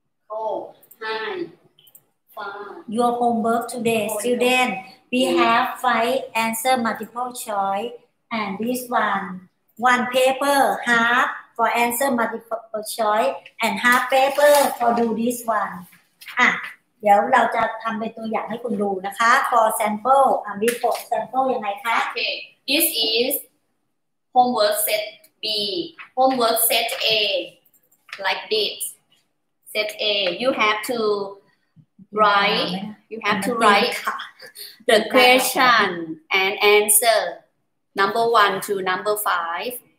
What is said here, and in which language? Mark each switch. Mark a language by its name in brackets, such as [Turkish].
[English] Oh, hi. Your homework today, student. We have 5 answer multiple choice, and this one paper half for answer multiple choice, and half paper for do this one. [Thai] เดี๋ยวเราจะทำเป็นตัวอย่างให้คุณดูนะคะ [English] for sample [Thai] มี for sample ยังไงคะ [English] okay. This is homework set B, homework set A like this. Set A, you have to write, you have to write the question and answer number 1 to number 5.